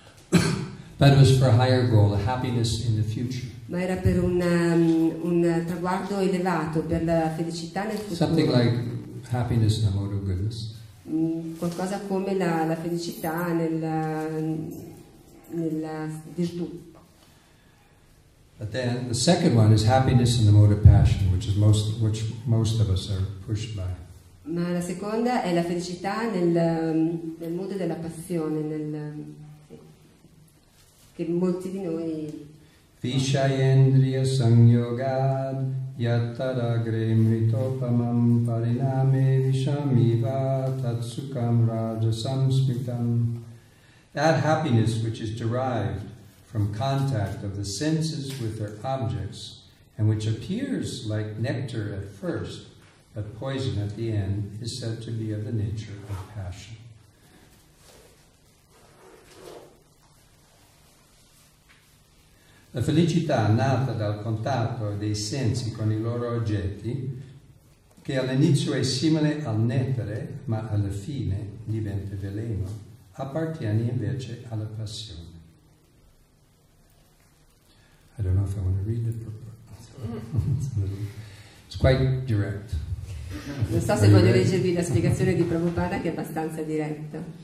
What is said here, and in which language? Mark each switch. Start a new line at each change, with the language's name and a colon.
English: But it was for a higher goal, a happiness in the future.
Italian: Ma era per un traguardo elevato, per la felicità nel futuro.
English: Something like happiness in the mode of goodness.
Italian: Qualcosa come la felicità nella virtù.
English: But then the second one is happiness in the mode of passion, which most of us are pushed by.
Italian: Ma la seconda è la felicità nel modo della passione, che molti di noi.
Sanskrit: Vishayendriya sanyogad yatara gremritopamam pariname vishamiva tatsukam rajasam smitam.
English: That happiness which is derived from contact of the senses with their objects, and which appears like nectar at first, but poison at the end is said to be of the nature of passion.
Italian: La felicità nata dal contatto dei sensi con i loro oggetti, che all'inizio è simile al nettare, ma alla fine diventa veleno, appartiene invece alla passione.
English: I don't know if I want to read it, but it's quite direct.
Italian: Non so se voglio leggervi la spiegazione di Prabhupada, che è abbastanza diretta.